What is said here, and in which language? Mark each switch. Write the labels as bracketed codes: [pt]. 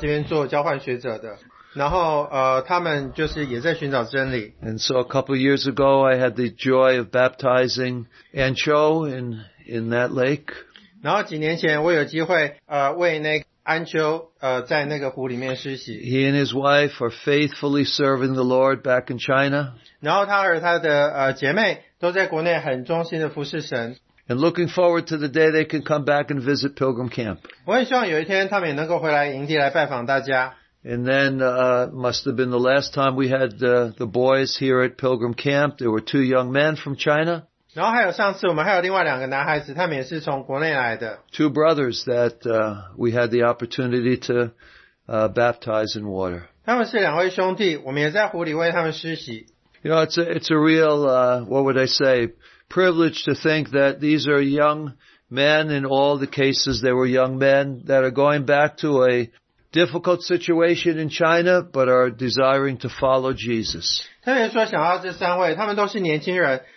[zh] 然后我们那边有一个弟兄,他的太太是来到这边做交换学者的。然后他们就是也在寻找真理。 [en] And so a couple of years ago, I had the joy of baptizing An Cho in that lake. [zh] 然后几年前我有机会为那个安秋在那个湖里面施洗。 [en] He and his wife are faithfully serving the Lord back in China. [zh] 然后他和他的姐妹都在国内很忠心地服侍神。 [en] And looking forward to the day they can come back and visit Pilgrim Camp. [zh] 我很希望有一天他们也能够回来营地来拜访大家。 [en] And then must have been the last time we had the boys here at Pilgrim Camp. There were two young men from China. [zh] 然后还有上次我们还有另外两个男孩子,他们也是从国内来的。 [en] Two brothers that we had the opportunity to baptize in water. [zh] 他们是两位兄弟,我们也在湖里为他们施洗。 [en] You know, it's a real, what would I say, privilege to think that these are young men. In all the cases, they were young men that are going back to a difficult situation in China, but are desiring to follow Jesus. [zh] 特别说想到这三位,他们都是年轻人,